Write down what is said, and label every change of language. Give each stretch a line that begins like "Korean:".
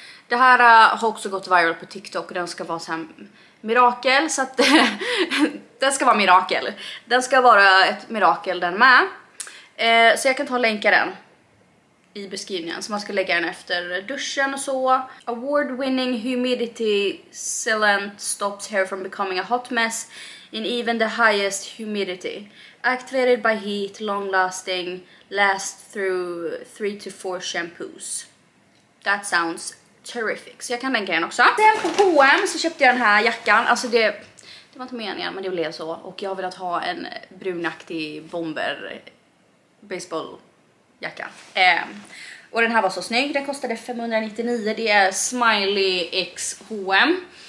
Swedish: Det här har också gått viral på TikTok och den ska vara så här mirakel. Så att den ska vara mirakel. Den ska vara ett mirakel den med. Så jag kan ta och länka den i beskrivningen. Så man ska lägga den efter duschen och så.
English: Award winning humidity sealant stops hair from becoming a hot mess in even the highest humidity. Activated by heat, long lasting, last through 3-4 shampoos. That sounds terrific.
Swedish: Så jag kan länka den också. Sen på H&M så köpte jag den här jackan. Alltså det var inte meningen, men det blev så. Och jag har velat ha en brunaktig bomber baseballjacka. Och den här var så snygg. Den kostade 599. Det är Smiley X H&M.